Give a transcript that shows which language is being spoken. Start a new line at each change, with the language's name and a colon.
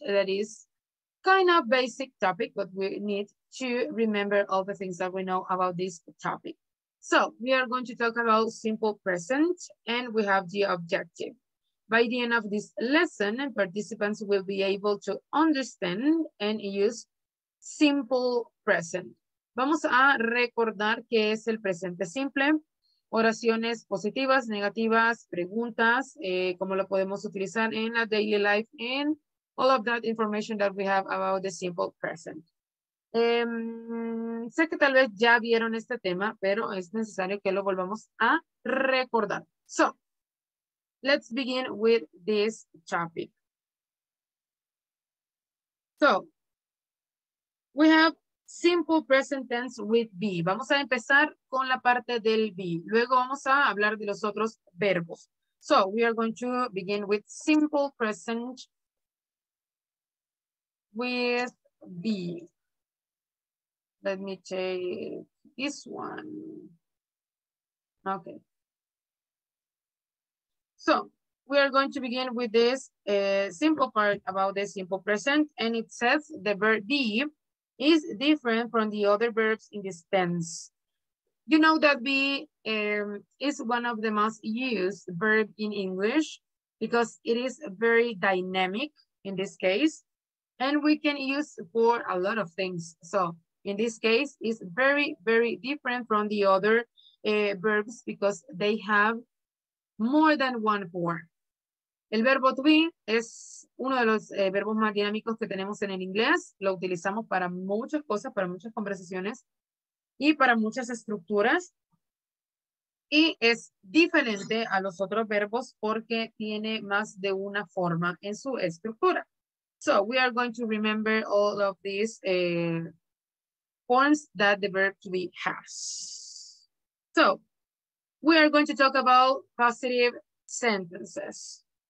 English: That is kind of basic topic, but we need to remember all the things that we know about this topic. So we are going to talk about simple present and we have the objective. By the end of this lesson, participants will be able to understand and use simple present.
Spanish: Vamos a recordar qué es el presente simple.
English: Oraciones positivas, negativas, preguntas, cómo lo podemos utilizar en la daily life, and all of that information that we have about the simple present.
Spanish: Sé que tal vez ya vieron este tema, pero es necesario que lo volvamos a recordar.
English: So, let's begin with this topic. So, we have simple present tense with be.
Spanish: Vamos a empezar con la parte del be. Luego vamos a hablar de los otros verbos.
English: So, we are going to begin with simple present with be. Let me take this one. Okay. So, we are going to begin with this simple part about the simple present, and it says the verb be is different from the other verbs in this tense. You know that be is one of the most used verb in English because it is very dynamic in this case, and we can use for a lot of things. So in this case, it's very, very different from the other verbs because they have more than one form.
Spanish: El verbo to be es uno de los verbos más dinámicos que tenemos en el inglés. Lo utilizamos para muchas cosas, para muchas conversaciones y para muchas estructuras. Y es diferente a los otros verbos porque tiene más de una forma en su estructura.
English: So, we are going to remember all of these forms that the verb to be has. So, we are going to talk about positive sentences.